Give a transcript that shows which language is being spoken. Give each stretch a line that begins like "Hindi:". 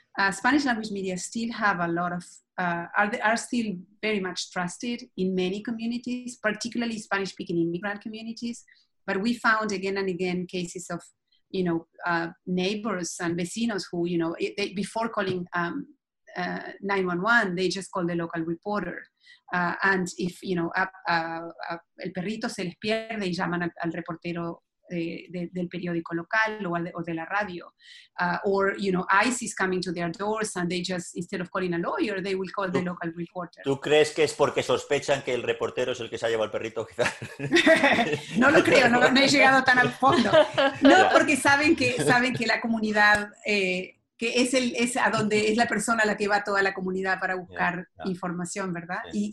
English: Spanish language media still have a lot of, are still very much trusted in many communities, particularly Spanish speaking immigrant communities. But we found again and again cases of, neighbors and vecinos who, they, before calling 911, they just call the local reporter. And if,
Spanish: el perrito se les pierde, y llaman al reportero del periódico local o de la radio.
English: Or ICE is coming to their doors and they just, instead of calling a lawyer, they will call the local reporter.
Spanish: ¿Tú crees que es porque sospechan que el reportero es el que se ha llevado al perrito? No lo creo, no he llegado tan al fondo. No, porque saben que la comunidad... que es a donde es la persona a la que va toda la comunidad para buscar información, ¿verdad? Sí.